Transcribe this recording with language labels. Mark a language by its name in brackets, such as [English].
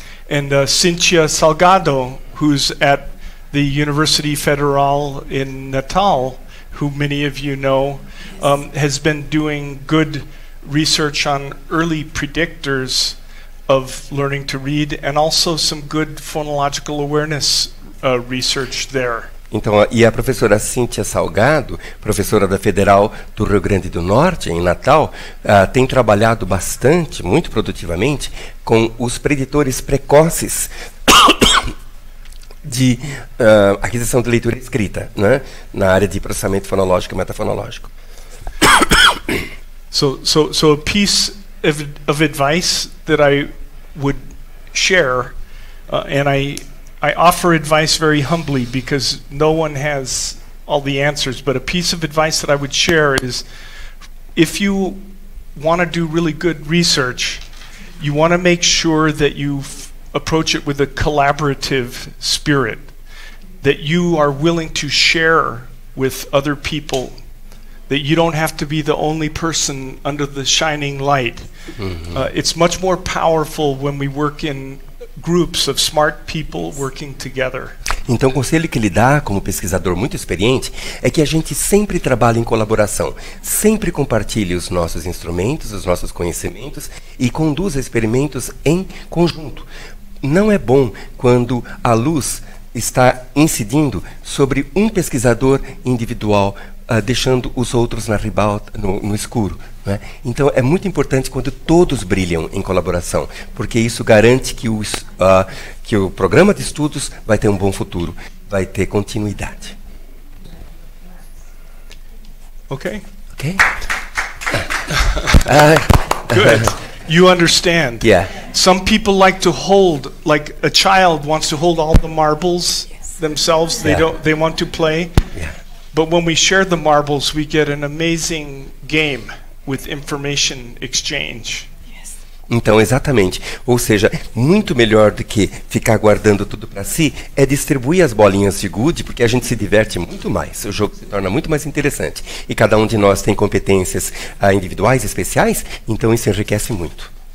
[English] And Cynthia Salgado, who's at the University Federal in Natal, who many of you know, has been doing good research on early predictors of learning to read and also some good phonological awareness research there. [Portuguese] Então, e a professora Cíntia Salgado, professora da Federal do Rio Grande do Norte, em Natal, tem trabalhado bastante, muito produtivamente, com os preditores precoces de aquisição de leitura escrita, né, na área de processamento fonológico e metafonológico. [English] So a piece of advice that I would share, and I offer advice very humbly because no one has all the answers, but a piece of advice that I would share is if you want to do really good research, you want to make sure that you approach it with a collaborative spirit, that you are willing to share with other people, that you don't have to be the only person under the shining light. Mm-hmm. It's much more powerful when we work in groups of smart people working together. [Portuguese] Então, o conselho que ele dá, como pesquisador muito experiente, é que a gente sempre trabalhe em colaboração, sempre compartilhe os nossos instrumentos, os nossos conhecimentos e conduza experimentos em conjunto. Não é bom quando a luz está incidindo sobre um pesquisador individual, deixando os outros na ribalta, no escuro, né? Então, é muito importante quando todos brilham em colaboração, porque isso garante que o programa de estudos vai ter um bom futuro, vai ter continuidade. Ok. Ok. [English] Good. You understand. Yeah. Some people like to hold, like a child wants to hold all the marbles themselves. They don't. They want to play. Yeah. But when we share the marbles, we get an amazing game with information exchange. [Portuguese] Então, exatamente. Ou seja, muito melhor do que ficar guardando tudo para si, é distribuir as bolinhas de gude, porque a gente se diverte muito mais. O jogo se torna muito mais interessante. E cada um de nós tem competências individuais, especiais, então isso enriquece muito.